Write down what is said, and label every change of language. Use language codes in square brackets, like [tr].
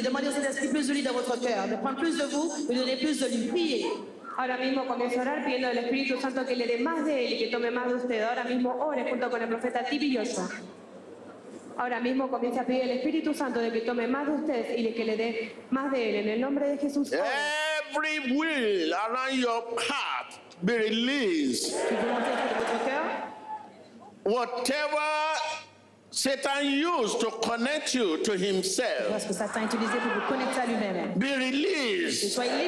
[fr] Demandez au Saint-Esprit plus de lui dans votre cœur. De prendre plus de vous et de donner plus de lui. Priez. [es] Ahora mismo comienzo a orar pidiendo al Espíritu Santo que le dé más de él y que tome más de usted. Ahora mismo ore junto con el profeta Tibioso. Ahora mismo comienza a pedir al Espíritu Santo de que tome más de usted y de que le dé más de él. En el nombre de Jesús. Ore. [en] Every will around your heart be released. Whatever Satan used to connect you to himself, be released.